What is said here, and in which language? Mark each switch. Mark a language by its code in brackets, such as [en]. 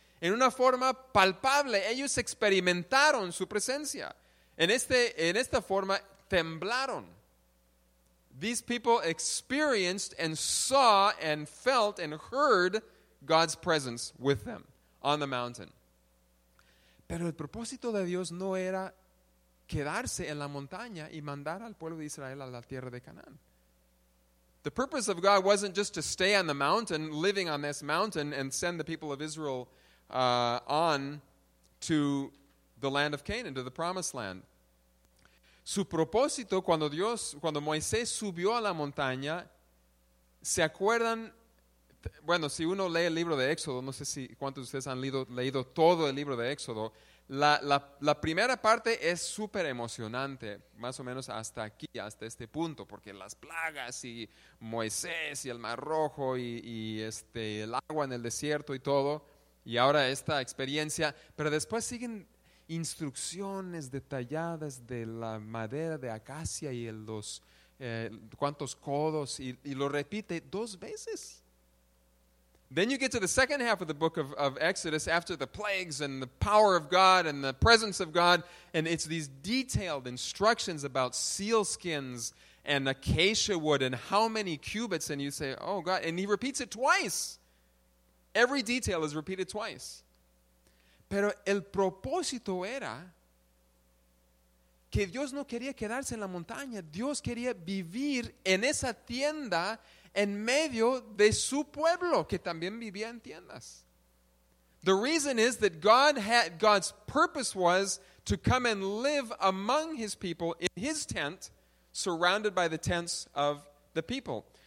[es] En una forma palpable, ellos experimentaron su presencia. En esta forma, temblaron. [en] These people experienced and saw and felt and heard God's presence with them on the mountain. [es] Pero el propósito de Dios no era quedarse en la montaña y mandar al pueblo de Israel a la tierra de Canaán. [en] The purpose of God wasn't just to stay on the mountain, living on this mountain, and send the people of Israel on to the land of Canaan, to the promised land. [es] Su propósito, cuando Moisés subió a la montaña, ¿se acuerdan? Bueno, si uno lee el libro de Éxodo, no sé si cuántos de ustedes han leído todo el libro de Éxodo, la primera parte es súper emocionante, más o menos hasta aquí, hasta este punto, porque las plagas y Moisés y el Mar Rojo y el agua en el desierto y todo, y ahora esta experiencia, pero después siguen instrucciones detalladas de la madera de acacia y los cuántos codos, y lo repite dos veces. [en] Then you get to the second half of the book of Exodus after the plagues and the power of God and the presence of God, and it's these detailed instructions about seal skins and acacia wood and how many cubits, and you say, oh God, and he repeats it twice. Every detail is repeated twice. [es] Pero el propósito era que Dios no quería quedarse en la montaña. Dios quería vivir en esa tienda en medio de su pueblo, que también vivía en tiendas. [en] The reason is that God's purpose was to come and live among his people in his tent, surrounded by the tents of the people.